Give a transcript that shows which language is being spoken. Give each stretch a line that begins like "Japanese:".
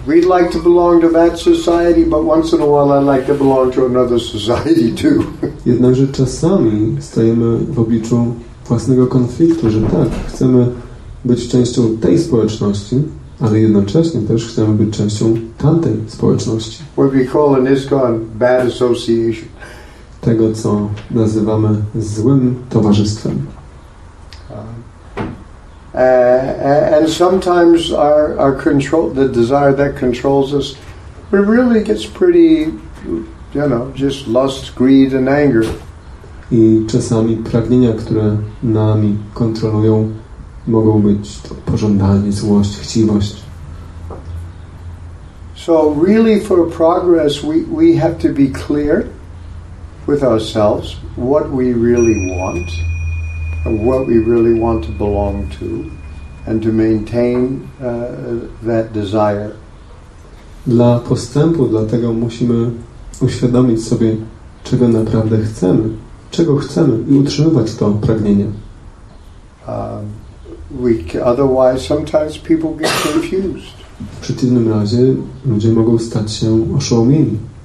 English: We'd like to belong to that society, but once in a while I'd like to belong to another society too.
Polish: Jednakże czasami stajemy w obliczu własnego konfliktu, że tak, chcemy być częścią tej społeczności, ale jednocześnie też chcemy być częścią tamtej społeczności.
English: What we call an ISKCON bad association.
Polish: Tego, co nazywamy złym towarzystwem.
English: And sometimes our control, the desire that controls us, it really gets pretty, you know, just lust, greed, and anger.
Polish: I czasami pragnienia, które nami kontrolują, mogą być to pożądanie, złość, chciwość.
English: So really for progress we have to be clear with ourselves what we really want and what we really want to belong to, and to maintain that desire.
Polish: Dla postępu, dlatego musimy uświadomić sobie, czego naprawdę chcemy, czego chcemy, i utrzymywać to pragnienie.
English: Otherwise sometimes people get confused.
Polish: W przeciwnym razie ludzie mogą stać się oszołomieni.